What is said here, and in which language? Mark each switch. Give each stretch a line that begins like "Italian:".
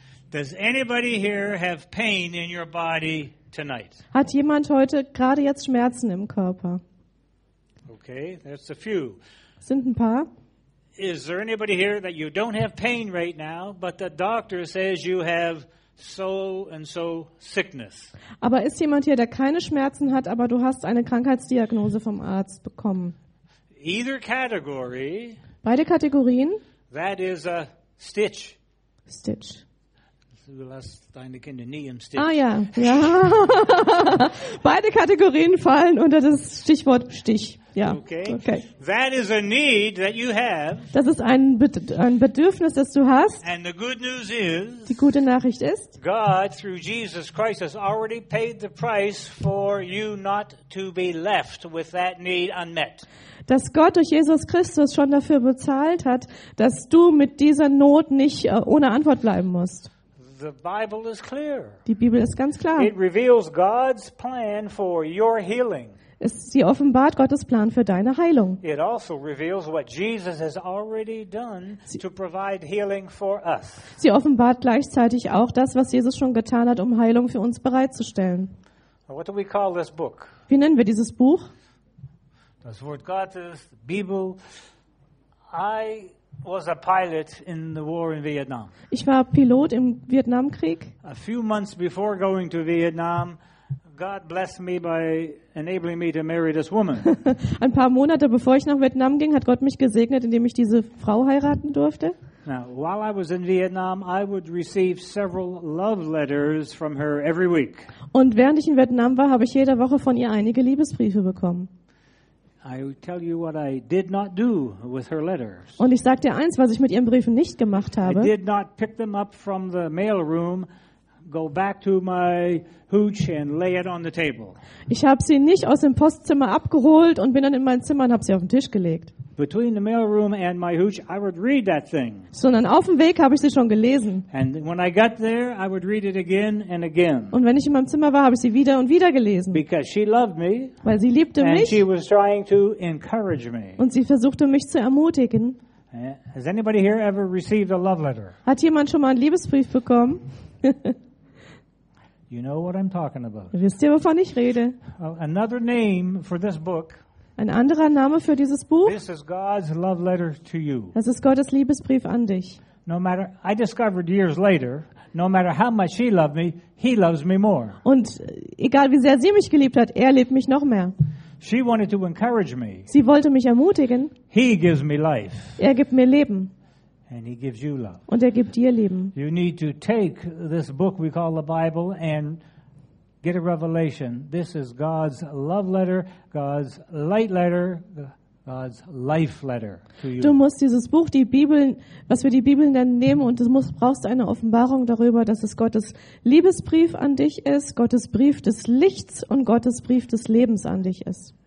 English: Does anybody here have pain in your body tonight?
German: Hat jemand heute gerade jetzt Schmerzen im Körper?
English: Okay, that's a few.
German: Sind ein paar.
English: Is there anybody here that you don't have pain right now, but the doctor says you have so and so sickness?
German: Aber ist jemand hier, der keine Schmerzen hat, aber du hast eine Krankheitsdiagnose vom Arzt bekommen?
English: Either category.
German: Beide Kategorien.
English: That is a stitch. Stitch.
German: Du lässt deine Kinder nie im Stich. Ah ja, ja. Beide Kategorien fallen unter das Stichwort Stich. Ja. Okay.
English: That is a need that you have.
German: Das ist ein Bedürfnis, das du hast.
English: And the good news is,
German: die gute Nachricht ist,
English: God through Jesus Christ has already paid the price for you not to be left with that need unmet.
German: Dass Gott durch Jesus Christus schon dafür bezahlt hat, dass du mit dieser Not nicht ohne Antwort bleiben musst.
English: The Bible is clear.
German: Die Bibel ist ganz klar.
English: It reveals God's plan for your healing.
German: Sie offenbart Gottes Plan für deine Heilung.
English: It also reveals what Jesus has already done to provide healing for us.
German: Sie offenbart gleichzeitig auch das, was Jesus schon getan hat, um Heilung für uns bereitzustellen.
English: What do we call this book?
German: Wie nennen wir dieses Buch? Das Wort Gottes, die Bibel.
English: I was a pilot in the war in Vietnam.
German: Ich war Pilot im Vietnamkrieg.
English: A few months before going to Vietnam, God blessed me by enabling me to marry this woman.
German: Ein paar Monate bevor ich nach Vietnam ging, hat Gott mich gesegnet, indem ich diese Frau heiraten durfte.
English: Now, while I was in Vietnam, I would receive several love letters from her every week.
German: Und während ich in Vietnam war, habe ich jede Woche von ihr einige Liebesbriefe bekommen.
English: I tell you what I did not do with her letters.
German: Und ich sag dir eins, was ich mit ihren Briefen nicht gemacht habe.
English: I did not pick them up from the mail room, go back to my hooch and lay it on the table.
German: Ich habe sie nicht aus dem Postzimmer abgeholt und bin dann in mein Zimmer und habe sie auf den Tisch gelegt.
English: Between the mail room and my hooch, I would read that thing.
German: Sondern auf dem Weg habe ich sie schon gelesen.
English: And when I got there, I would read it again and again.
German: Und wenn ich in meinem Zimmer war, habe ich sie wieder und wieder gelesen.
English: Because she loved me.
German: Weil sie liebte mich.
English: And she was trying to encourage me.
German: Und sie versuchte mich zu ermutigen.
English: Has anybody here ever received a love letter?
German: Hat jemand schon mal einen Liebesbrief bekommen?
English: You know what I'm talking about.
German: Wisst ihr, wovon ich rede?
English: Another name for this book.
German: Ein anderer Name für dieses Buch.
English: This is God's love letter to you.
German: Das ist Gottes Liebesbrief an dich.
English: No matter, I discovered years later, no matter how much he loved me, he loves me more.
German: Und egal wie sehr sie mich geliebt hat, er liebt mich noch mehr.
English: She wanted to encourage me.
German: Sie wollte mich ermutigen.
English: He gives me life.
German: Er gibt mir Leben.
English: And he gives you love.
German: Und er gibt dir Leben.
English: You need to take this book we call the Bible and get a revelation. This is God's love letter, God's light letter, God's life letter to you.
German: Du musst dieses Buch, die Bibel, was wir die Bibel nennen, nehmen und du brauchst eine Offenbarung darüber, dass es Gottes Liebesbrief an dich ist, Gottes Brief des Lichts und Gottes Brief des Lebens an dich ist.